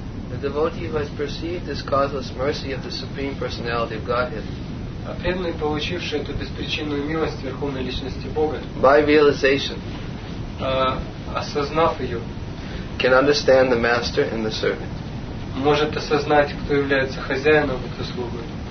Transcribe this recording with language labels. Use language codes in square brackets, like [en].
[en] The devotee who has perceived this causeless mercy of the Supreme Personality of Godhead, [ru] a преданный, получивший эту беспричинную милость Верховной Личности Бога, [en] by realization, [ru] осознав ее, [en] can understand the master and the servant. [ru] Может осознать, кто является хозяином этой службы.